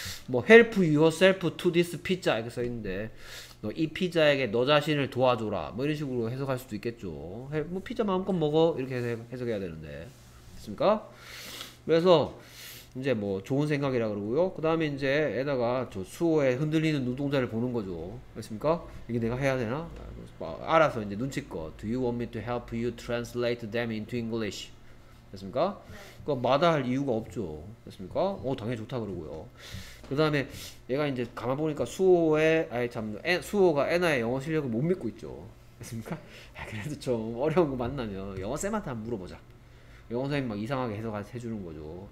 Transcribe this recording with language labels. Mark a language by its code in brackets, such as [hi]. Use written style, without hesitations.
[ko] 뭐 [en] Help yourself to this pizza [ko] 이렇게 써있는데 너 이 피자에게 너 자신을 도와줘라 뭐 이런 식으로 해석할 수도 있겠죠. 뭐 피자 마음껏 먹어 이렇게 해석해야 되는데 됐습니까? 그래서 이제 뭐 좋은 생각이라 그러고요. 그 다음에 이제 애다가 저 수호에 흔들리는 눈동자를 보는 거죠. 됐습니까? 이게 내가 해야 되나? 알아서 이제 눈치껏 [en] Do you want me to help you translate them into English? [ko] 됐습니까? 그거 마다할 이유가 없죠. 됐습니까? 당연히 좋다 그러고요. 그 다음에 얘가 이제 가만 보니까 수호가 애나의 영어 실력을 못 믿고 있죠. 됐습니까? 그래도 좀 어려운 거 만나면 영어쌤한테 한번 물어보자. 영어쌤이 막 이상하게 해석해 주는 거죠.